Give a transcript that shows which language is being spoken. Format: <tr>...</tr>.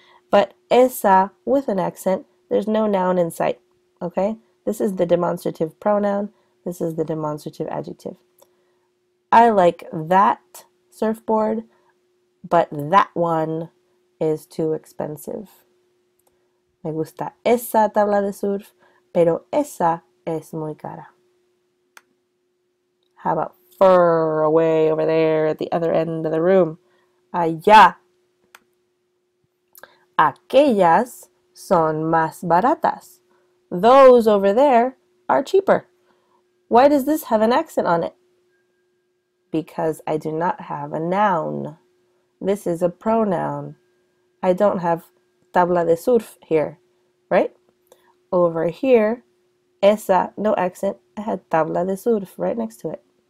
<en>But esa, with an accent, there's no noun in sight. Okay? This is the demonstrative pronoun. This is the demonstrative adjective. I like that surfboard, but that one is too expensive.</en> <es>Me gusta esa tabla de surf, pero esa es muy cara.</es> <en>How about far away over there at the other end of the room?</en> <es>Allá. Aquellas son más baratas.</es> <en>Those over there are cheaper. Why does this have an accent on it? Because I do not have a noun. This is a pronoun. I don't have tabla de surf here, right? Over here, esa, no accent, I had tabla de surf right next to it.</en>